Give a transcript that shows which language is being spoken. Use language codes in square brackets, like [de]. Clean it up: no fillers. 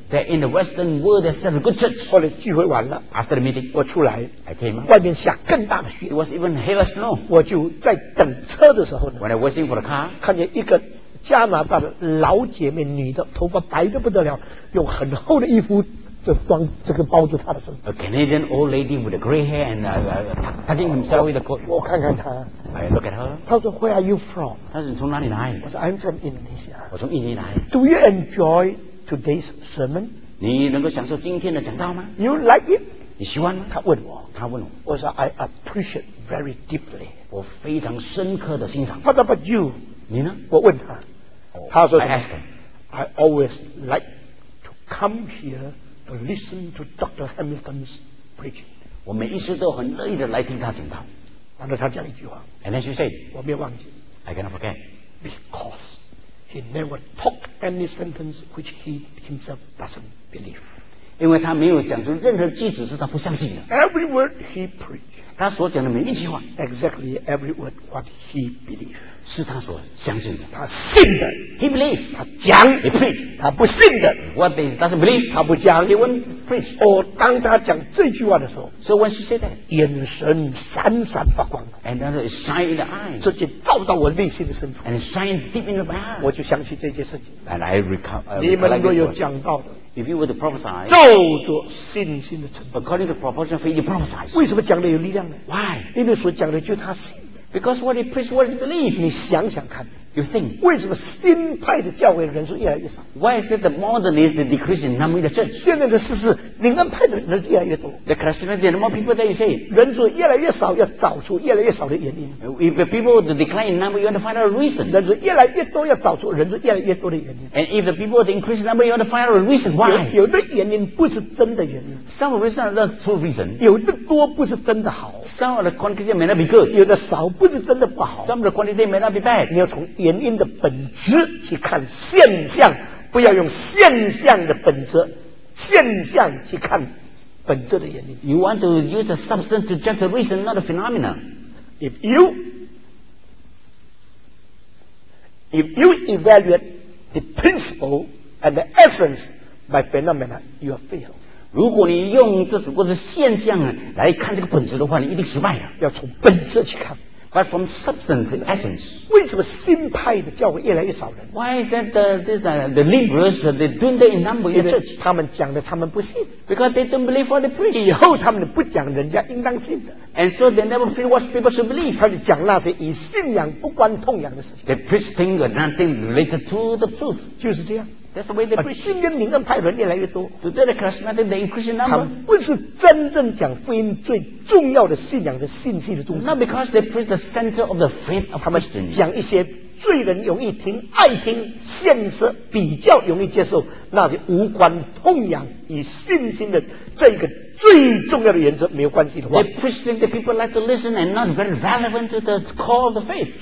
[en] That in the Western world there's such a good church. [zh] 后来聚会完了。 [en] After the meeting. [zh] 我出来。 [en] I came. [zh] 外面下更大的雪。 [en] It was even heavier snow. [zh] 我就在等车的时候呢。 [en] When I was waiting for the car. [zh] 看见一个。加拿大的老姐妹，女的，头发白得不得了，用很厚的衣服就装这个包住她的身。 [en] A Canadian old lady with a gray hair and tucking himself with a coat. [zh] 我看看她。 [en] I look at her. [zh] 她说 [en] ，Where are you from? [zh] 她说你从哪里来？我说 [en] I'm from Indonesia. [zh] 我从印尼来。 [en] Do you enjoy today's sermon? [zh] 你能够享受今天的讲道吗 [en] ？You like it? [zh] 你喜欢吗？她问我。她问我。我说 [en] I appreciate very deeply. [zh] 我非常深刻的欣赏。 [en] What about you? [zh] 你呢？我问她。他说什么 [en] I asked him, I always like to come here to listen to Dr. Hamilton's preaching. [zh] 我每一次都很乐意的来听他讲道。然后他讲一句话。 [en] And then she said, [zh] 我没有忘记。 [en] I cannot forget. Because he never talked any sentence which he himself doesn't believe. [zh] 因为他没有讲出任何句子是他不相信的。 [en] Every word he preached， [zh] 他所讲的每一句话 [en] ，exactly every word what he believed， [zh] 是他所相信的。他信的 [en] ，he believed， [zh] 他讲 [en] ，he preached， [zh] 他不信的 [en] ，what they doesn't believe， [zh] 他不讲 [en] ，he won't preach。 [zh] 哦，当他讲这句话的时候 [en] ，so when she said that， [zh] 眼神闪闪发光 [en] ，and then it shined in the eyes， [zh] 直接照到我内心的深处 [en] ，and shined deep in the heart， [zh] 我就相信这件事情。 [en] And I recall， [zh] 你们能够有讲到的。 [en] If you were to prophesy， [zh] 照着信心的程度 [en] ，according to proportion of faith you prophesy， [zh] 为什么讲的有力量呢 [en] ？Why？ [zh] 因为所讲的就是他信的。 [en] Because what he preached, what he believed。 [zh] 你想想看 [en] ，You think， [zh] 为什么新派的教会人数越来越少 [en] ？Why is it the modernist decreasing number in the church？ [zh] 现在的事实，灵恩派的人越来越多。 [en] The Christianity and more people that you say， [zh] 人数越来越少，要找出越来越少的原因。 [en] If the people decline in number, you want to find out a reason。 [zh] 人数越来越多，要找出人数越来越多的原因。 [en] And if the people increase number, you want to find out a reason why？ [zh] 有的原因不是真的原因。 [en] Some reasons are not true reason。 [zh] 有的多不是真的好。 [en] Some of the quantity may not be good。 [zh] 有的少不是真的不好。 [en] Some of the quantity may not be bad。 [zh] 你要从原因的本质去看现象，不要用现象的本质，现象去看本质的原因。 [en] You want to use a substance to judge the reason, not the phenomena. If you evaluate the principle and the essence by phenomena, you are failed. [zh] 如果你用这只不过是现象来看这个本质的话，你一定失败了。要从本质去看。 [en] But from substance and essence， [zh] 为什么新派的教会越来越少人 [en] ？Why is that the liberals they dwindle in number in church？ [zh] 他们讲的他们不信 [en] ，because they don't believe what they preach。 [zh] 以后他们不讲人家应当信的 [en] ，and so they never feel what people should believe。 [zh] 他就讲那些以信仰不关痛痒的事情。 [en] They preach things nothing related to the truth。 [zh] 就是这样。 [en] That's the way they preach。 [zh] 今天灵恩派人越来越多 [en] ，today the Christianity they increase in number。 [zh] 他们不是真正讲福音最重要的信仰的信息的中心。 [en] Not because they preach the center of the faith of Christians。 [zh] 讲一些罪人容易听、爱听、现实比较容易接受，那些无关痛痒与信心的这个最重要的原则没有关系的话。 [en] They preach things that people like to listen and not very relevant to the core of the faith。